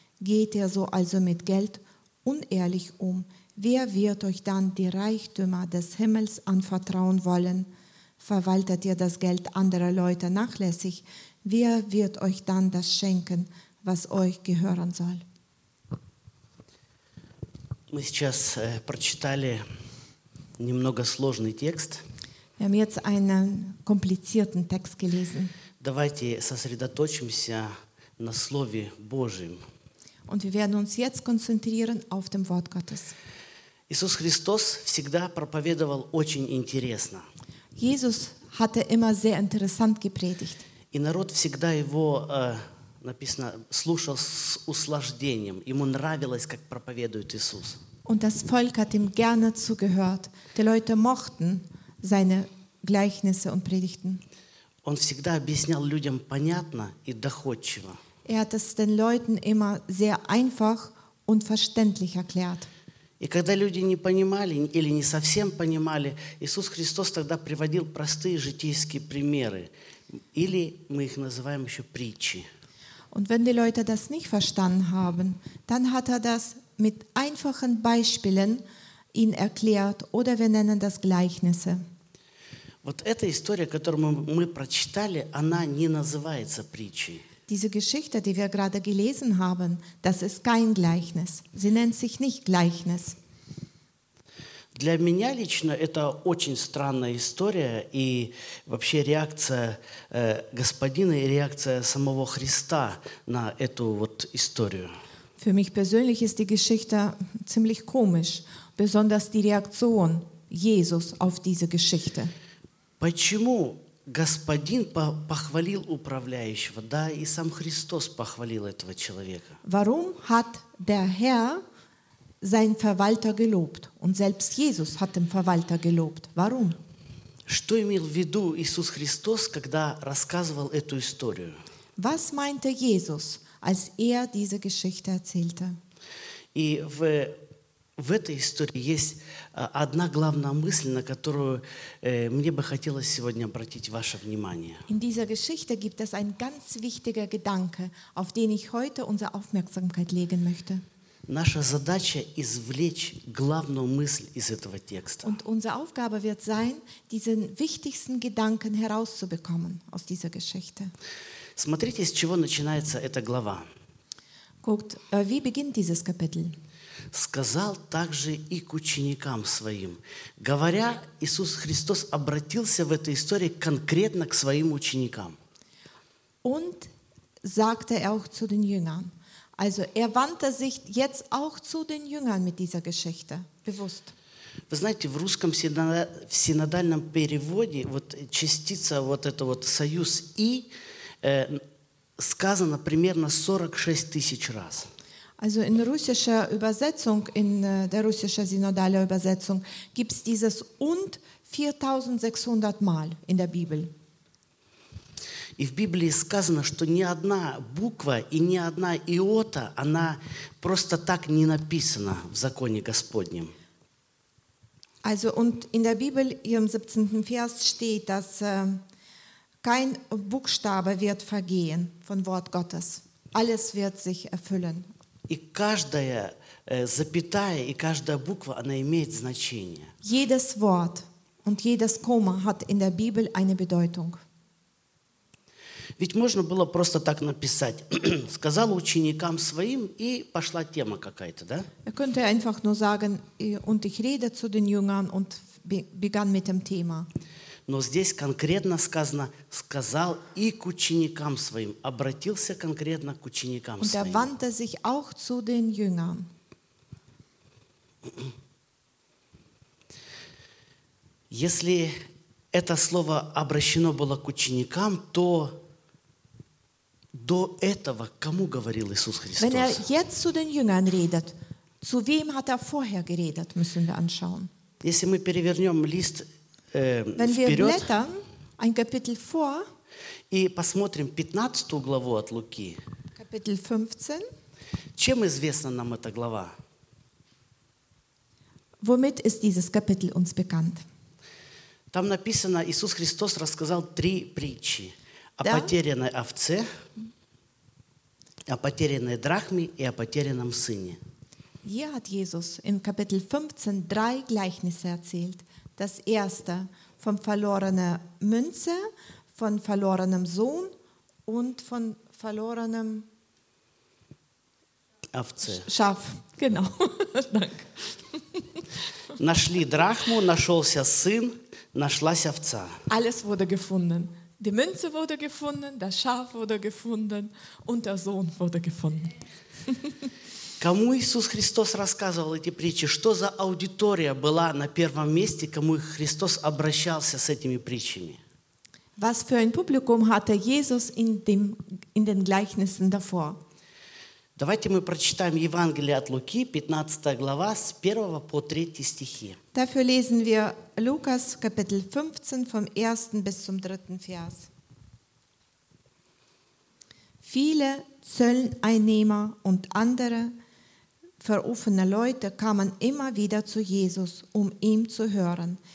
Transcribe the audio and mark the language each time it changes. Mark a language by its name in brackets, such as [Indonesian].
[German] Geht ihr so also mit Geld unehrlich um, wer wird euch dann die Reichtümer des Himmels anvertrauen wollen? Verwaltet ihr das Geld anderer Leute nachlässig, wer wird euch dann das schenken, was euch gehören soll? [Russian] Мы сейчас прочитали немного сложный текст. [German] Wir haben jetzt einen komplizierten Text gelesen. [Russian] Давайте сосредоточимся на Слове Божьем. [German] Und wir werden uns jetzt konzentrieren auf dem Wort Gottes. [Russian] Иисус Христос всегда проповедовал очень интересно. [German] Jesus hatte immer sehr interessant gepredigt. [Russian] И народ всегда его написано, слушал с услаждением. Ему нравилось, как проповедует Иисус. [German] Und das Volk hat ihm gerne zugehört. Die Leute mochten seine Gleichnisse und Predigten. [Russian] Он всегда объяснял людям понятно и доходчиво. [German] Er hat es den Leuten immer sehr einfach und verständlich erklärt. [Russian] И когда люди не понимали или не совсем понимали, Иисус Христос тогда приводил простые житейские примеры, или мы их называем еще притчи. [German] Und wenn die Leute das nicht verstanden haben, dann hat er das mit einfachen Beispielen ihnen erklärt, oder wir nennen das Gleichnisse. [Russian] Вот эта история, которую мы прочитали, она не называется притчей. [German] Diese Geschichte, die wir gerade gelesen haben, das ist kein Gleichnis. Sie nennt sich nicht Gleichnis. [Russian] Для меня лично это очень странная история и вообще реакция господина и реакция самого Христа на эту вот историю. [German] Für mich persönlich ist die Geschichte ziemlich komisch, besonders die Reaktion Jesus auf diese Geschichte. [Russian] Почему Господин похвалил управляющего, да, и сам Христос похвалил этого человека. [German] Warum hat der Herr seinen Verwalter gelobt? Und selbst Jesus hat den Verwalter gelobt. Warum? [Russian] Что имел в виду Иисус Христос, когда рассказывал эту историю? [German] Was meinte Jesus, als er diese Geschichte erzählte? [Russian] И в этой истории есть одна главная мысль, на которую мне бы хотелось сегодня обратить ваше внимание. [German] In dieser Geschichte gibt es ein ganz wichtiger Gedanke, auf den ich heute unsere Aufmerksamkeit legen möchte. [Russian] Наша задача извлечь главную мысль из этого текста. [German] Und unsere Aufgabe wird sein, diesen wichtigsten Gedanken herauszubekommen aus dieser Geschichte. [Russian] Смотрите, с чего начинается эта глава. [German] Guckt, wie beginnt dieses Kapitel? [Russian] Сказал также и к ученикам своим. Говоря, Иисус Христос обратился в этой истории конкретно к своим ученикам. [German] Und sagte er auch zu den Jüngern. Also er wandte sich jetzt auch zu den Jüngern mit dieser Geschichte, bewusst. [Russian] Вы знаете, в русском синодальном переводе вот частица вот это вот союз «и» сказано примерно 46 тысяч раз. [German] Also in russischer Übersetzung, in der russischen Synodale Übersetzung, gibt es dieses und 4600 Mal in der Bibel. [Russian] И в Библии сказано, что ни одна буква и ни одна иота, она просто так не написана в законе Господнем. [German] Also und in der Bibel, im 17. Vers, steht, dass kein Buchstabe wird vergehen von Wort Gottes. Alles wird sich erfüllen. [Russian] И каждая запятая и каждая буква, она имеет значение. [German] Jedes Wort und jedes Komma hat in der Bibel eine Bedeutung. [Russian] Ведь можно было просто так написать. Сказал ученикам своим, и пошла тема какая-то, да? [German] Er könnte einfach nur sagen, und ich rede zu den Jüngern und begann mit dem Thema. [Russian] Но здесь конкретно сказано, сказал и к ученикам своим, обратился конкретно к ученикам своим. [German] Und er wandte sich auch zu den Jüngern. [Russian] Если это слово обращено было к ученикам, то до этого кому говорил Иисус Христос? [German] Wenn er jetzt zu den Jüngern redet, Zu wem hat er vorher geredet, müssen wir anschauen. [Russian] Если мы перевернем лист вперед, [German] wenn wir blättern, ein Kapitel vor, [Russian] и посмотрим 15 главу от Луки, [German] Kapitel 15, [Russian] чем известна нам эта глава? [German] Womit ist dieses Kapitel uns bekannt? [Russian] Там написано, Иисус Христос рассказал три притчи о da? Потерянной овце, о потерянной драхме и о потерянном сыне. [German] Hier hat Jesus im Kapitel 15 drei Gleichnisse erzählt. Das erste von verlorener Münze, von verlorenem Sohn und von verlorenem [Russian] Овце. [German] Schaf. Genau. Danke. [Russian] Нашли Drachmu, нашелся Сын, нашлась Овца. [German] Alles wurde gefunden. Die Münze wurde gefunden, das Schaf wurde gefunden und der Sohn wurde gefunden. [Russian] Кому Иисус Христос рассказывал эти притчи? Что за аудитория была на первом месте, кому Христос обращался с этими притчами? [German] Was für ein Publikum hatte Jesus in dem, in den Gleichnissen davor? [Russian] Давайте мы прочитаем Евангелие от Луки, 15 глава, с 1 по 3 стихи. [German] Dafür lesen wir Lukas, Kapitel 15, vom 1. bis zum 3. Vers. Viele Zölleinnehmer und andere verrufene Leute kamen immer wieder zu Jesus, um ihm zu hören.